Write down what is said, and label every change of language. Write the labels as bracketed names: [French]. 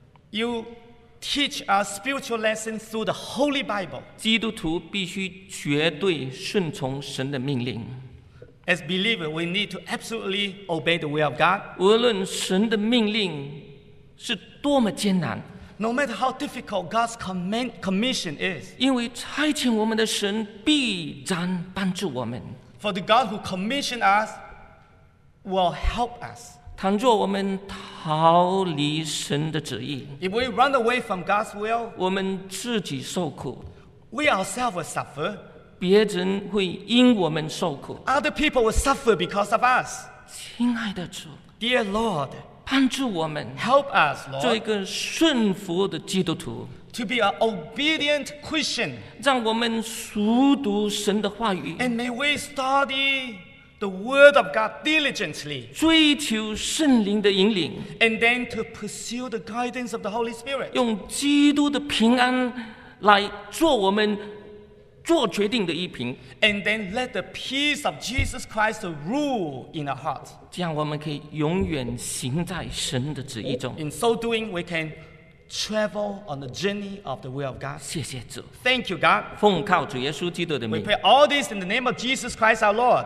[English] You teach us spiritual lessons through the Holy Bible. [Chinese] 基督徒必须绝对顺从神的命令。 [English] As believers, we need to absolutely obey the will of God. [Chinese] 无论神的命令是多么艰难, [English] No matter how difficult God's commission is. [Chinese] 因为差遣我们的神必然帮助我们。 [English] For the God who commissioned us will help us. [Chinese] 倘若我们逃离神的旨意。 [English] If we run away from God's will. [Chinese] 我们自己受苦。 [English] We ourselves will suffer. [Chinese] 别人会因我们受苦。 [English] Other people will suffer because of us. [Chinese] 亲爱的主。 [English] Dear Lord. [Chinese] 帮助我们 [English] Help us, Lord, [Chinese] 做一个顺服的基督徒 [English] to be an obedient Christian, [Chinese] 让我们熟读神的话语 [English] and may we study the word of God diligently, [Chinese] 追求圣灵的引领 [English] and then to pursue the guidance of the Holy Spirit, [Chinese] 用基督的平安来做我们做决定的一瓶 [English] and then let the peace of Jesus Christ rule in our hearts. [Chinese] 这样我们可以永远行在神的旨意中。 [English] In so doing, we can travel on the journey of the will of God. [Chinese] 谢谢主。 [English] Thank you, God. [Chinese] 奉靠主耶稣基督的名。 [English] We pray all this in the name of Jesus Christ, our Lord.